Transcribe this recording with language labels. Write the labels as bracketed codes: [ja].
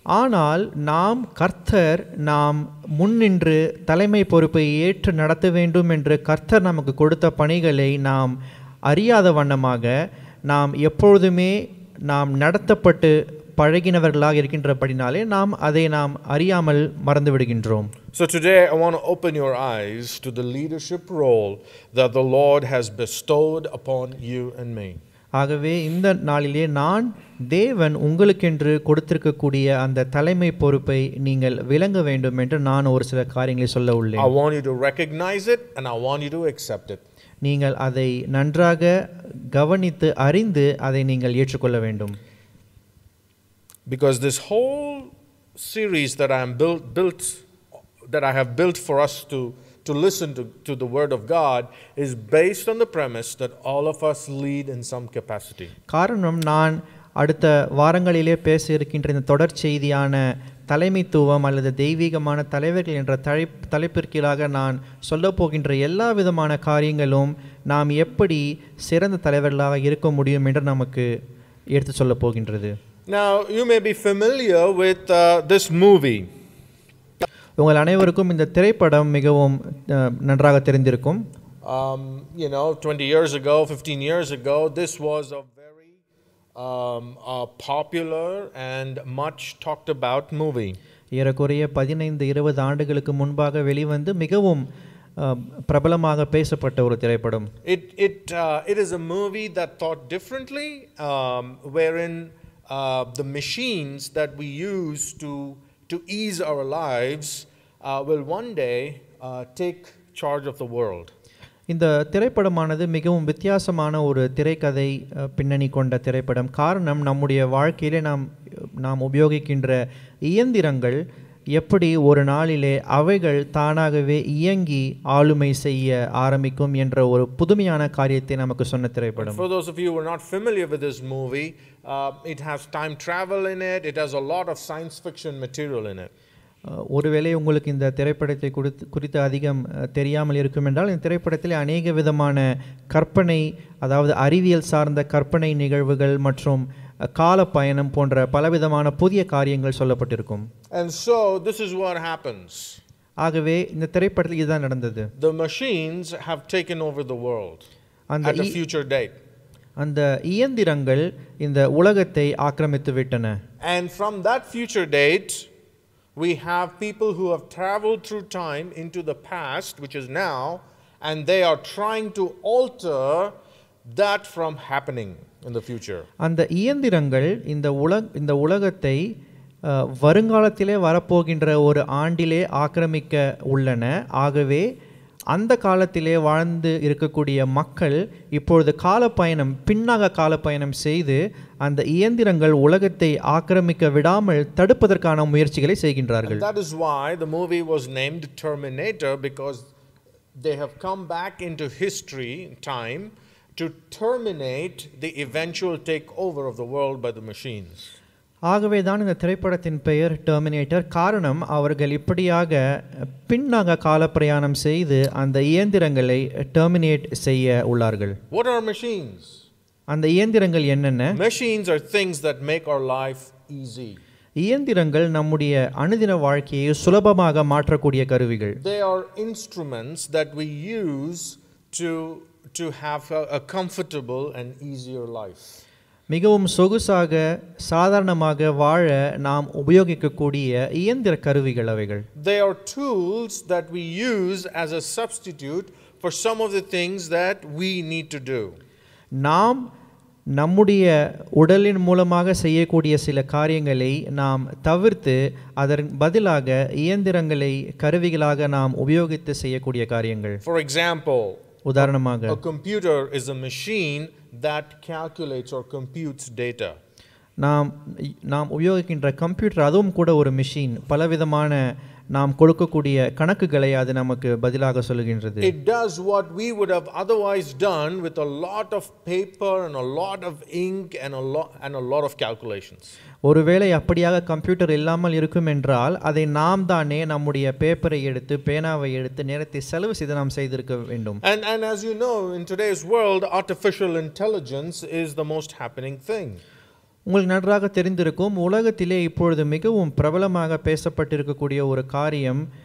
[ta] ஆனால் நாம் கர்த்தர் நாம் முன்னின்று தலைமை பொறுப்பை ஏற்று நடத்த வேண்டும் என்று கர்த்தர் நமக்கு கொடுத்த பணிகளை நாம் அறியாத வண்ணமாக நாம் எப்பொழுதுமே நாம் நடத்தப்பட்டு பழகினவர்களாக இருக்கின்றபடினாலே நாம் அதை நாம் அறியாமல் மறந்து விடுகின்றோம். [en] So today I want to open your eyes to the leadership role that the Lord has bestowed upon you and me. [ta] ஆகவே இந்த நாளிலே நான் தேவன் உங்களுக்கென்று கொடுத்திருக்கக்கூடிய அந்த தலைமை பொறுப்பை நீங்கள் விளங்க வேண்டும் என்று நான் ஒரு சில காரியங்களை சொல்ல உள்ளேன். [en] I want you to recognize it and I want you to accept it. [ta] நீங்கள் அதை நன்றாக கவனித்து அறிந்து அதை நீங்கள் ஏற்றுக்கொள்ள வேண்டும். [en] Because this whole series that I am built for us to listen to the word of God is based on the premise that all of us lead in some capacity. [ta] காரணம் நான் அடுத்த வாரங்களிலே பேச இருக்கின்ற இந்த தொடர்ச்சியான தலைமைத்துவம் அல்லது தெய்வீகமான தலைவர்கள் என்ற தலைப்பிற்கீழாக நான் சொல்ல போகின்ற எல்லா விதமான காரியங்களும் நாம் எப்படி சிறந்த தலைவர்களாக இருக்க முடியும் என்று நமக்கு எடுத்து சொல்ல போகின்றது. [en] Now you may be familiar with this movie. [ta] உங்கள் அனைவருக்கும் இந்த திரைப்படம் மிகவும் நன்றாக தெரிந்திருக்கும். [en] You know, 20 years ago, 15 years ago, this was a very popular and much talked about movie. [ta] ஏறக்குறைய 15-20 ஆண்டுகளுக்கு முன்பாக வெளிவந்து மிகவும் பிரபலமாக பேசப்பட்ட ஒரு திரைப்படம். [en] It is a movie that thought differently, wherein the machines that we use to ease our lives will one day take charge of the world. [ta] இந்த திரைப்படமானது மிகவும் வித்தியாசமான ஒரு திரைக்கதை பின்னணி கொண்ட திரைப்படம். காரணம் நம்முடைய வாழ்க்கையிலே நாம் உபயோகிக்கின்ற இயந்திரங்கள் எப்படி ஒரு நாளிலே அவைகள் தானாகவே இயங்கி ஆளுமை செய்ய ஆரம்பிக்கும் என்ற ஒரு புதுமையான காரியத்தை நமக்கு சொன்ன திரைப்படம். [en] For those of you who are not familiar with this movie, it has time travel in it, it has a lot of science fiction material in it. [ta] ஒருவேளை உங்களுக்கு இந்த திரைப்படத்தை குறித்து அதிகம் தெரியாமல் இருக்கும் என்றால் இந்த திரைப்படத்தில் அநேக விதமான கற்பனை, அதாவது அறிவியல் சார்ந்த கற்பனை நிகழ்வுகள் மற்றும் கால பயணம் போன்ற பலவிதமான புதிய காரியங்கள் சொல்லப்பட்டிருக்கும். [en] And so this is what happens. [ta] ஆகவே இந்த திரைப்படத்தில் இதுதான் நடந்தது. [en] The machines have taken over the world at a future date. [ta] அந்த இயந்திரங்கள் இந்த உலகத்தை ஆக்கிரமித்து விட்டன. [en] And from that future date we have people who have traveled through time into the past, which is now, and they are trying to alter that from happening in the future. [ta] அந்த இயந்திரங்கள் இந்த உலகத்தை வருங்காலத்திலே வரப்போகின்ற ஒரு ஆண்டிலே ஆக்கிரமிக்க உள்ளன. ஆகவே அந்த காலத்திலே வாழ்ந்து இருக்கக்கூடிய மக்கள் இப்பொழுது காலப்பயணம் பின்னாக காலப்பயணம் செய்து அந்த இயந்திரங்கள் உலகத்தை ஆக்கிரமிக்க விடாமல் தடுப்பதற்கான முயற்சிகளை செய்கின்றார்கள். [en] That is why the movie was named Terminator, because they have come back into history time to terminate the eventual takeover of the world by the machines. [ta] ஆகவே தான் இந்த திரைப்படத்தின் பெயர் டெர்மினேட்டர். காரணம் அவர்கள் இப்படியாக பின்னாக கால பிரயாணம் செய்து அந்த இயந்திரங்களை டெர்மினேட் செய்ய உள்ளார்கள். [en] What are machines? [ta] அந்த இயந்திரங்கள் என்னென்ன? [en] Machines are things that make our life easy. [ta] இயந்திரங்கள் நம்முடைய அனுதின வாழ்க்கையை சுலபமாக மாற்றக்கூடிய கருவிகள். [en] They are instruments that we use to have a comfortable and easier life. [ta] மிகவும் சொகுசாக சாதாரணமாக வாழ நாம் உபயோகிக்கக்கூடிய இயந்திர கருவிகள் அவைகள். [en] They are tools that we use as a substitute for some of the things that we need to do. [ta] நாம் நம்முடைய உடலின் மூலமாக செய்யக்கூடிய சில காரியங்களை நாம் தவிர்த்து அதன் பதிலாக இயந்திரங்களை கருவிகளாக நாம் உபயோகித்து செய்யக்கூடிய காரியங்கள். [en] For example, [ta] உதாரணமாக [en] a computer is a machine that calculates or computes data. [ta] நாம் உபயோகிக்கின்ற கம்ப்யூட்டர் அதுவும் கூட ஒரு மெஷின். பலவிதமான நாம் கொடுக்கக்கூடிய கணக்குகளை அது நமக்கு பதிலாக சொல்கின்றது. [en] It does what we would have otherwise done with a lot of paper and a lot of ink and a lot of calculations. [ta] ஒருவேளை அப்படியாக கம்ப்யூட்டர் இல்லாமல் இருக்கும் என்றால் அதை நாம் தானே நம்முடைய பேப்பரை எடுத்து பேனாவை எடுத்து நேரத்தை செலவு செய்து நாம் செய்திருக்க வேண்டும். [en] And as you know, in today's world, artificial intelligence is the most happening thing. [ta] உங்களுக்கு நன்றாக தெரிந்திருக்கும், உலகத்திலே இப்பொழுது மிகவும் பிரபலமாக பேசப்பட்டிருக்கக்கூடிய ஒரு காரியம்